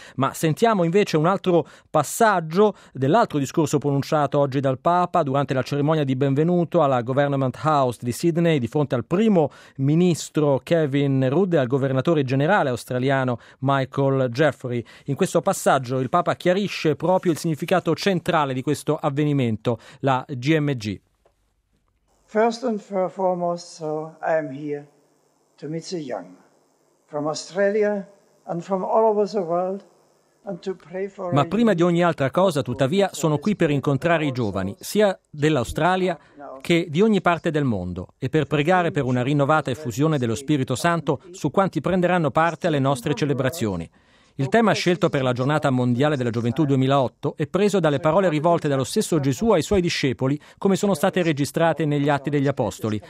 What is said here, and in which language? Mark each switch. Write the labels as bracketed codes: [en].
[it] Ma sentiamo invece un altro passaggio dell'altro discorso pronunciato oggi dal Papa durante la cerimonia di benvenuto alla Government House di Sydney di fronte al primo ministro Kevin Rudd e al governatore generale australiano Michael Jeffrey. In questo passaggio il Papa chiarisce proprio il significato centrale di questo avvenimento, la GMG. [en] First and foremost, so I am here to meet the young from Australia and from all over the world. [it] Ma prima di ogni altra cosa, tuttavia, sono qui per incontrare i giovani, sia dell'Australia che di ogni parte del mondo, e per pregare per una rinnovata effusione dello Spirito Santo su quanti prenderanno parte alle nostre celebrazioni. Il tema scelto per la Giornata Mondiale della Gioventù 2008 è preso dalle parole rivolte dallo stesso Gesù ai suoi discepoli, come sono state registrate negli Atti degli Apostoli.